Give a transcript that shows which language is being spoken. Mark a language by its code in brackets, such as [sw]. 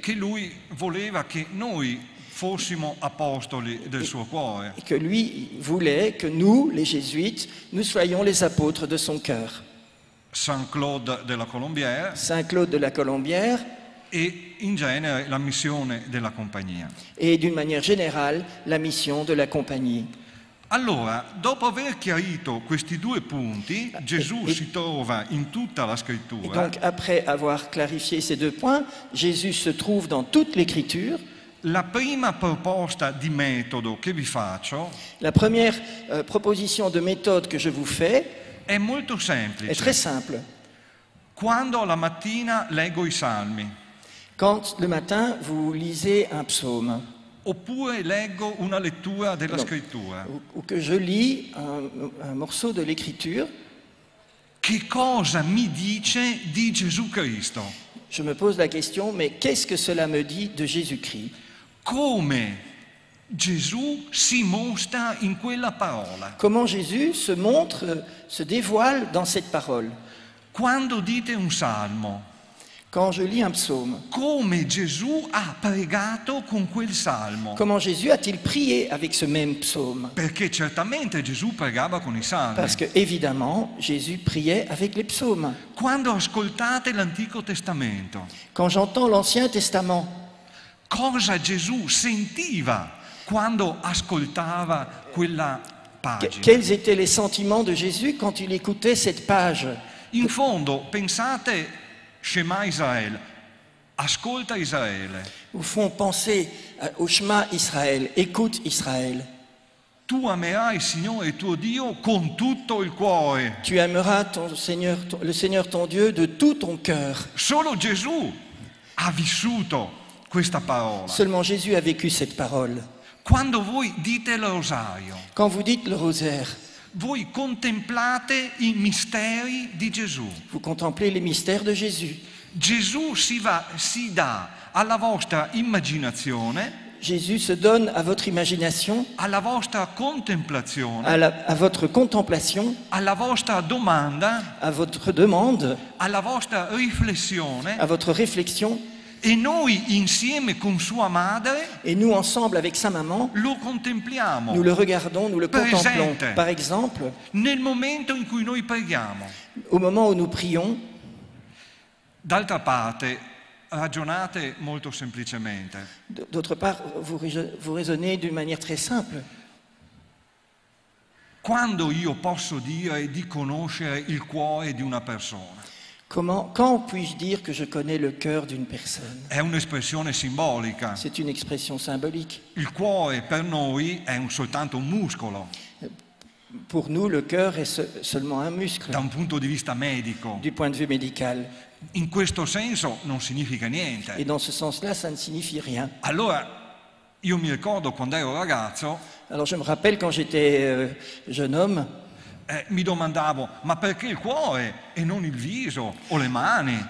[it] che lui voleva che noi fossimo apostoli del suo cuore. [fr] Et que lui voulait que nous, les Jésuites, nous soyons les apôtres de son cœur. Saint Claude de la Colombière. Saint Claude de la Colombière. [it] E in genere la missione della compagnia. [fr] Et d'une manière générale, la mission de la compagnie. [it] Allora, dopo aver chiarito questi due punti, Gesù si trova in tutta la scrittura. [fr] Et donc après avoir clarifié ces deux points, Jésus se trouve dans toute l'écriture. [it] La prima proposta di metodo che vi faccio. [fr] La première proposition de méthode que je vous fais. [it] È molto semplice. [fr] È très simple. [it] Quando la mattina leggo i salmi. [fr] Quand le matin vous lisez un psaume. [it] Oppure leggo una lettura della scrittura. [fr] Ou que je lis un morceau de l'écriture. [it] Che cosa mi dice di Gesù Cristo? [fr] Je me pose la question, mais qu'est-ce que cela me dit de Jésus-Christ? [it] Come Gesù si mostra in quella parola? [fr] Comment Jésus se montre, se dévoile dans cette parole? [it] Quando dite un salmo? [fr] Quand je lis un psaume. [it] Come Gesù ha pregato con quel salmo? [fr] Comment Jésus a-t-il prié avec ce même psaume? [it] Perché certamente Gesù pregava con i salmi. [fr] Parce que évidemment, Jésus priait avec les psaumes. [it] Quando ascoltate l'Antico Testamento. [fr] Quand j'entends l'Ancien Testament. [it] Cosa Gesù sentiva quando ascoltava quella pagina? [fr] Quels étaient les sentiments de Jésus quand il écoutait cette page? [it] In fondo, pensate Shema Israel, ascolta Israele. [fr] Au fond, pensez au Shema Israel, écoute Israel. [it] Tu amerai il Signore tuo Dio con tutto il cuore. [fr] Tu aimeras ton Seigneur, le Seigneur ton Dieu de tout ton cœur. [it] Solo Gesù ha vissuto questa parola. [fr] Seulement Jésus a vécu cette parole. [it] Quando voi dite il rosario. [fr] Quand vous dites le rosaire. [it] Voi contemplate i misteri di Gesù. [fr] Vous contemplez les mystères de Jésus. [it] Gesù si dà alla vostra immaginazione. [fr] Jésus se donne à votre imagination, [it] alla vostra contemplazione, [fr] à votre contemplation, [it] alla vostra domanda, [fr] à votre demande, [it] alla vostra riflessione, [fr] à votre réflexion. [it] E noi insieme con sua madre, [fr] et nous ensemble avec sa maman, [it] lo contempliamo, [fr] nous le regardons, nous le contemplons. Par exemple, [it] nel momento in cui noi preghiamo, [fr] au moment où nous prions. [it] D'altra parte, ragionate molto semplicemente. [fr] D'autre part, vous raisonnez d'une manière très simple. [it] Quando io posso dire di conoscere il cuore di una persona? [fr] Quand puis-je dire que je connais le cœur d'une personne? [it] È un'espressione simbolica. [fr] C'est une expression symbolique. [it] Il cuore per noi è soltanto un muscolo. [fr] Pour nous, le cœur est seulement un muscle. [it] Da un punto di vista medico. [fr] Du point de vue médical. [it] In questo senso non significa niente. [fr] Et dans ce sens-là, ça ne signifie rien. [it] Allora, io mi ricordo quando ero ragazzo. [fr] Alors je me rappelle quand j'étais jeune homme. [it] Mi domandavo, ma perché il cuore e non il viso o le mani?